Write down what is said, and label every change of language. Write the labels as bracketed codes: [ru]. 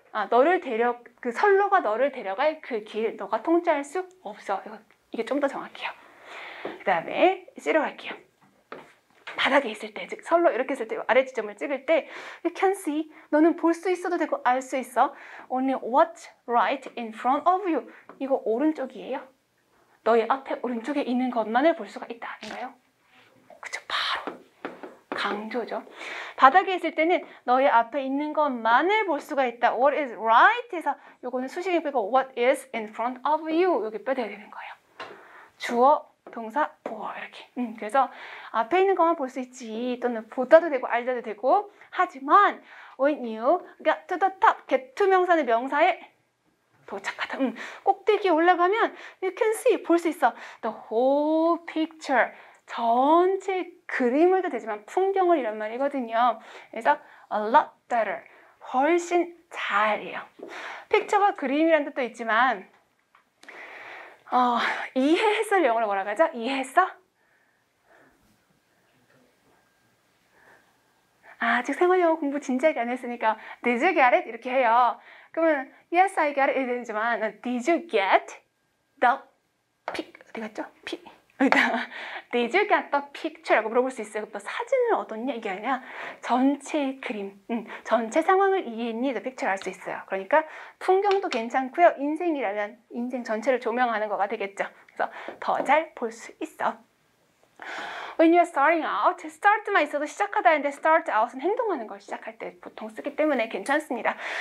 [ko] 너를 데려 그 선로가 너를 데려갈 그 길. 너가 통제할 수 없어. 이게 좀더 정확해요. 그다음에 C로 갈게요. 바닥에 있을 때, 즉 선로 이렇게 있을 때 아래 지점을 찍을 때 [en] You can see. [ko] 너는 볼수 있어도 되고 알수 있어. [en] Only what's right in front of you. [ko] 이거 오른쪽이에요. 너의 앞에 오른쪽에 있는 것만을 볼 수가 있다. 아닌가요? 그쵸. 강조죠. 바닥에 있을 때는 너의 앞에 있는 것만을 볼 수가 있다. [en] What is right? [ko] 해서 이거는 수식이 빼고 [en] What is in front of you? [ko] 여기 빼대야 되는 거예요. 주어, 동사, 보어 이렇게. 그래서 앞에 있는 것만 볼수 있지. 또는 보다도 되고 알다도 되고. 하지만 [en] when you get to the top, get to [ko] 명사는 명사에 도착하다. 꼭대기에 올라가면 [en] you can see [ko] 볼수 있어. [en] The whole picture. [ko] 전체 그림을 도 되지만 풍경을 이런 말이거든요. 그래서 [en] a lot better. [ko] 훨씬 잘이에요. 픽처가 그림이란 뜻도 있지만 이해했어 영어로 뭐라 하죠? 이해했어? 아직 생활 영어 공부 진지하게 안 했으니까 [en] Did you get it? [ko] 이렇게 해요. 그러면 [en] Yes, I get it. [ko] 이렇게 되지만 [en] Did you get the pic? [ko] 어디 갔죠? 피. [en] Did you get the picture? [ko] 라고 물어볼 수 있어요. 그럼 너 사진을 얻었냐? 이게 아니라 전체 그림, 전체 상황을 이해했니? [en] The picture [ko] 할 수 있어요. 그러니까 풍경도 괜찮고요. 인생이라면 인생 전체를 조명하는 거가 되겠죠. 그래서 더 잘 볼 수 있어. [en] When you're starting out, [ko] start만 있어도 시작하다인데 start out은 행동하는 걸 시작할 때 보통 쓰기 때문에 괜찮습니다.